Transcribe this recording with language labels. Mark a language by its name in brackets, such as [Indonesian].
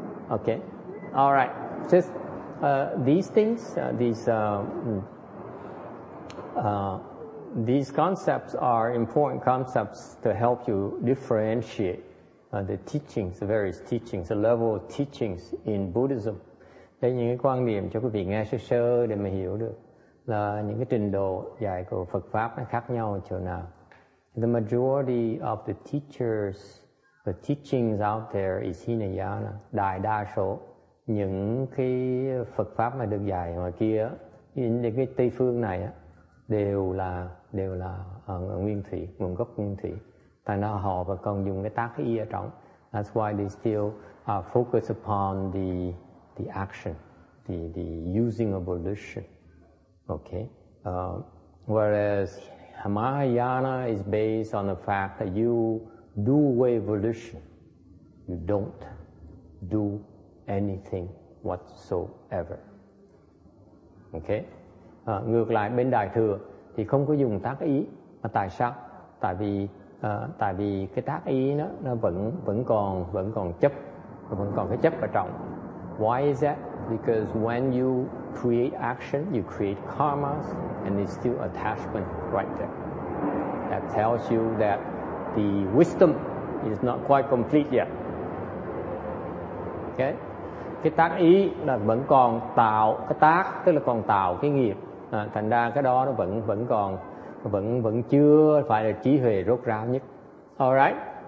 [English] Okay, all right, just these concepts are important concepts to help you differentiate the teachings, the various teachings, the level of teachings in Buddhism. [Vietnamese] Đây những cái quan điểm cho quý vị nghe sơ sơ để mà hiểu được là những cái trình độ dạy của Phật pháp nó khác nhau chỗ nào. [English] The majority of the teachers, the teachings out there is Hinayana. [Vietnamese] Đại đa số những cái Phật pháp mà được dạy ngoài kia, những cái Tây phương này á, đều là nguyên thủy, nguồn gốc nguyên thủy. Tại nó họ và còn dùng cái tác ý ở trong. [English] That's why they still focus upon the action, the using of volition. Okay. Whereas Mahayana is based on the fact that you do away volition. You don't do anything whatsoever. Okay. [Vietnamese] Ngược lại bên Đại Thừa thì không có dùng tác ý. Mà tại sao? Tại vì cái tác ý nó vẫn còn chấp, vẫn còn cái chấp ở trong. [English] Why is that? Because when you create action, you create karmas, and there's still attachment right there. That tells you that the wisdom is not quite complete yet. Okay? [Vietnamese] Cái tác ý là vẫn còn tạo cái tác, tức là còn tạo cái nghiệp. Thành ra cái đó nó vẫn còn chưa phải là trí huệ rốt ráo nhất. [English] All right.